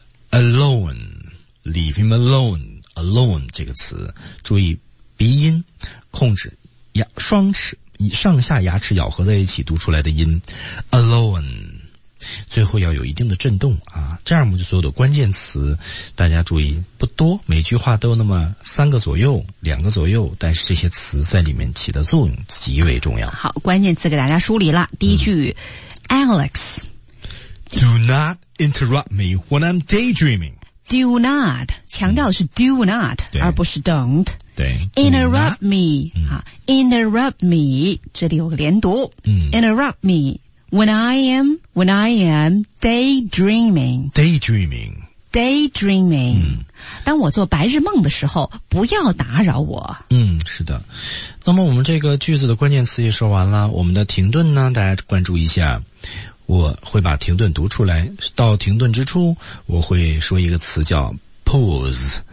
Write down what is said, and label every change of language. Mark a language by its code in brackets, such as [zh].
[zh] alone， [en] leave him alone， [zh] alone 这个词，注意鼻音控制，牙双齿上下牙齿咬合在一起读出来的音 alone， 最后要有一定的震动啊，这样我们就所有的关键词大家注意不多，每句话都那么三个左右两个左右，但是这些词在里面起的作用极为重要。好，关键词给大家梳理了，第一句 Alex [en] Do not interrupt me when I'm daydreaming. do not, [zh] 强调是 [en] do not, [zh] 而不是 [en] don't. [zh] 对 [en] interrupt me,、interrupt me, [zh] 这里有个连读、 [en] interrupt me, when I am daydreaming. Daydreaming. Daydreaming.、 [zh] 当我做白日梦的时候，不要打扰我。嗯，是的。那么我们这个句子的关键词也说完了，我们的停顿呢，大家关注一下。我会把停顿读出来，到停顿之初我会说一个词叫 pause.